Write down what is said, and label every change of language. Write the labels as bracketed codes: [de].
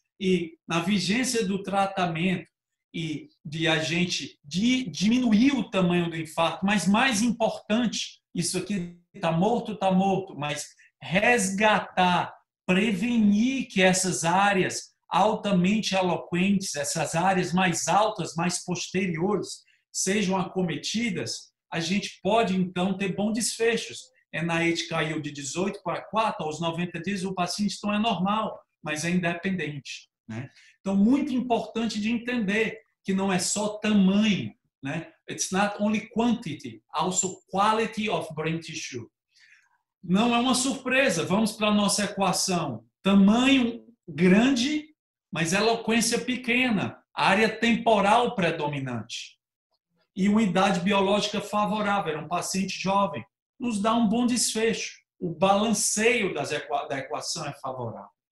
[pt] E na vigência do tratamento, e de a gente diminuir o tamanho do infarto, mas mais importante, isso aqui está morto, mas resgatar, prevenir que essas áreas altamente eloquentes, essas áreas mais altas, mais posteriores, sejam acometidas, a gente pode, então, ter bons desfechos. NIH caiu de 18 para 4, aos 90 dias o paciente não é normal, mas é independente. Né? Então, muito importante de entender que não é só tamanho, né? [en] It's not only quantity, also quality of brain tissue. [pt] Não é uma surpresa, vamos para a nossa equação. Tamanho grande, mas eloquência pequena, área temporal predominante. E uma idade biológica favorável, era um paciente jovem. Nos dá um bom desfecho, o balanceio da equação é favorável.